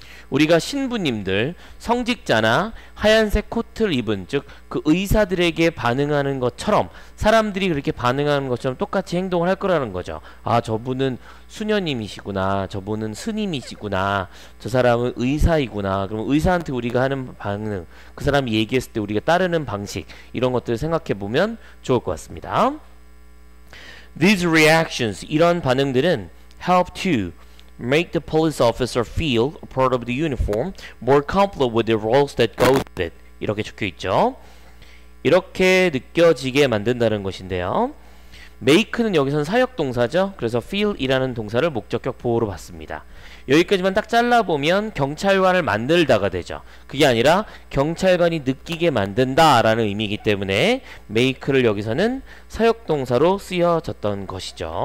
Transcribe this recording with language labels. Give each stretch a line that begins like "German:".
Korean: 우리가 신부님들, 성직자나 하얀색 코트를 입은 즉 그 의사들에게 반응하는 것처럼 사람들이 그렇게 반응하는 것처럼 똑같이 행동을 할 거라는 거죠. 아 저분은 수녀님이시구나, 저분은 스님이시구나, 저 사람은 의사이구나. 그럼 의사한테 우리가 하는 반응, 그 사람이 얘기했을 때 우리가 따르는 방식 이런 것들을 생각해 보면 좋을 것 같습니다.
English: These reactions,
Korean: 이런 반응들은
English: help to make the police officer feel a part of the uniform more comfortable with the roles that go with it.
Korean: 이렇게 적혀 있죠. 이렇게 느껴지게 만든다는 것인데요. make는 여기서는 사역동사죠. 그래서 feel이라는 동사를 목적격 보호로 봤습니다. 여기까지만 딱 잘라보면 경찰관을 만들다가 되죠. 그게 아니라 경찰관이 느끼게 만든다라는 의미이기 때문에 make를 여기서는 사역동사로 쓰여졌던 것이죠.